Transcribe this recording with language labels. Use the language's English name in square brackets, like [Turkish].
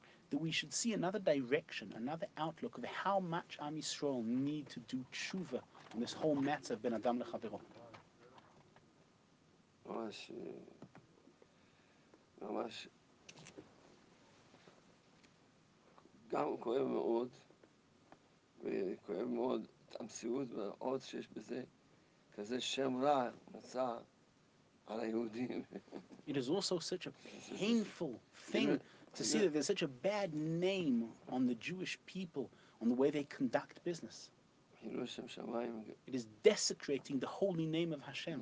[English] That we should see another direction, another outlook of how much Am Yisrael need to do tshuva on this whole matter of Ben Adam Lechaveru. [Hebrew] ממש גם כואב מאוד וכואב מאוד את המציאות ועוד שיש בזה כזה שם רע מצא על היהודים. [English] It is also such a painful thing to see that there's such a bad name on the Jewish people, on the way they conduct business. It is desecrating the holy name of Hashem.